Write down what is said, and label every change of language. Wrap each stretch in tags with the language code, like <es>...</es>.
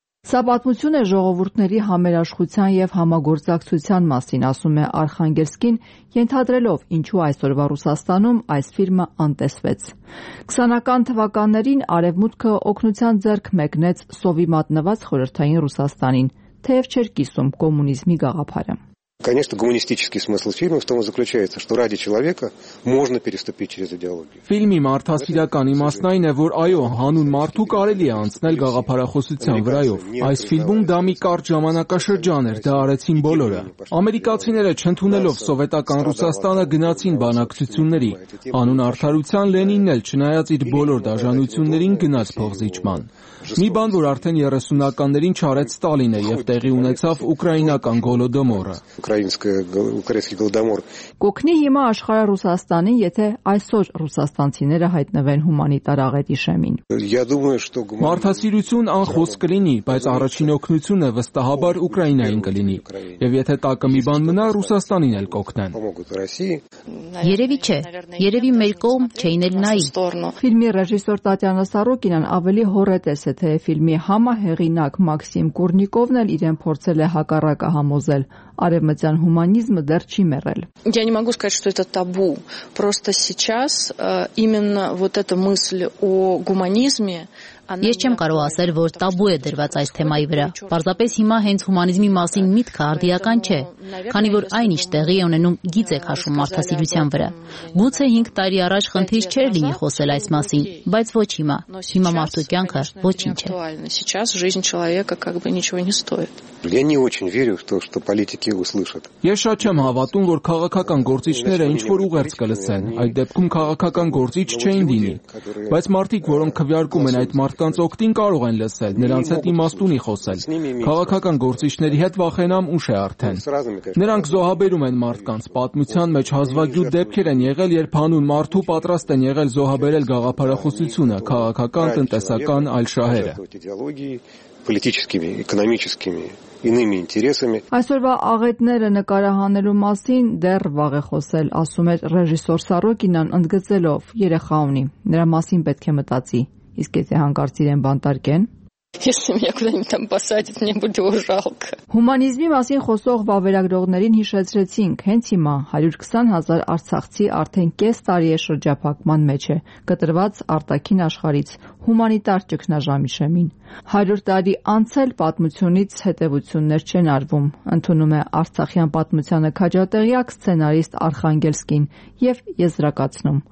<hy>Սա պատմություն է ժողովուրդների համերաշխության և համագործակցության մասին, ասում է Արխանգելսկին, ենթադրելով, ինչու այսօրվա Ռուսաստանում այս ֆիլմը անտեսվեց։ 20-ական թվականներին Արևմուտքը օգնության ձեռք մեկնեց Սովի մատնված խորհրդային Ռուսաստանին, թեև չէր կիսում կոմունիզմի գաղափարը։</hy> <ru>Конечно, гуманистический смысл фильма в том и заключается, что ради человека можно переступить через идеологию.</ru> <hy>Ֆիլմի մարդասիրական իմաստն այն է, որ այո, հանուն մարդու կարելի է անցնել գաղափարախոսության վրայով։ Այս ֆիլմում դա մի կարճ ժամանակաշրջան էր, դա արեցին բոլորը։ Ամերիկացիները, չընդունելով սովետական Ռուսաստանը, գնացին բանակցությունների։ Անուն արդարության Լենինն էլ, չնայած իր բոլոր դաժանություններին, գնաց փողզիջման։ Մի բան, որ արդեն 30-ականներին չարեց Ստալինը և տեղի ունեցավ ուկրաինական գոլոդոմորը։ Կոգնի հիմա աշխարհը Ռուսաստանին, եթե այսօր ռուսաստանցիները հայտնվեն հումանիտար աղետի շեմին։ Մարդասիրություն անխոսք կլինի, բայց առաջին օգնությունը վստահաբար Ուկրաինային կլինի, և եթե տակը մի բան մնա, Ռուսաստանին էլ կօգնեն։ Երևի չէ, երևի մեր կողմ չէին էլ նայի։ Ֆիլմի ռեժիսոր Տատյանա Սարոկինան ավելի հորետես է, թե ֆիլմի համահեղինակ Մաքսիմ Կուրնիկովն էլ իրեն փորձել է հակառակը համոզել. Արևմտյան հումանիզմը դեռ չի մեռել։</hy> <ru>Я не могу сказать, что это табу. Просто сейчас именно вот эта мысль о гуманизме.</ru> <hy>Ես չեմ կարող ասել, որ տաբու է դրված այս թեմայի վրա։ Պարզապես հիմա հենց հումանիզմի մասին միտքը արդիական չէ, քանի որ այն իշտ տեղի է ունենում գիծ է քաշում մարդասիրության վրա։ Գուցե 5 տարի առաջ խնդիր չէր լինի խոսել այս մասին, բայց ոչ հիմա։ Հիմա մարդու կյանքը ոչինչ չէ։</hy> <ru>Сейчас жизнь человека как бы ничего не стоит. Я не очень верю в то, что политики услышат.</ru> <hy>Ես շատ չեմ հավատում, որ քաղաքական գործիչները ինչ-որ ուղերձ կլսեն։ Այդ դեպքում քաղաքական գործիչ չեն լինի։ Բայց մարդիկ, որոնք քվյարկում են այդ մարդ մարդկանց օգտին կարող են լսել, նրանց հետ իմաստունի խոսել։ Քաղաքական գործիչների հետ վախենամ ուշ է արդեն։ Նրանք զոհաբերում են մարդկանց, պատմության մեջ հազվագյուտ դեպքեր են եղել, երբ հանուն մարդու պատրաստ են եղել զոհաբերել գաղափարախոսությունը, քաղաքական, տնտեսական, այլ շահերը։</hy> <ru>Политическими, экономическими, иными интересами.</ru> <hy>Այսօրվա աղետները նկարահանելու մասին դեռ վաղ է խոսել, ասում է ռեժիսոր Սարոկինան ընդգծելով երեխա ունի, նրա մասին պետք է մտածի, իսկ եթե հանկարծ իրեն բանտարկեն…</hy> <ru>Если меня куда-нибудь там посадят, мне будет жалко.</ru> <hy>Հումանիզմի մասին խոսող վավերագրողներին հիշեցրեցինք, հենց հիմա 120 000 արցախցի արդեն կես տարի է շրջապակման մեջ է, կտրված արտաքին աշխարից, հումանիտար ճգնաժամի շեմին։ 100 տարի անցել պատմությունից հետևություններ չեն արվում, ընդունում է արցախյան պատմությանը քաջատեղյակ սցենարիստ Արխանգելսկին և եզրակացնում.</hy>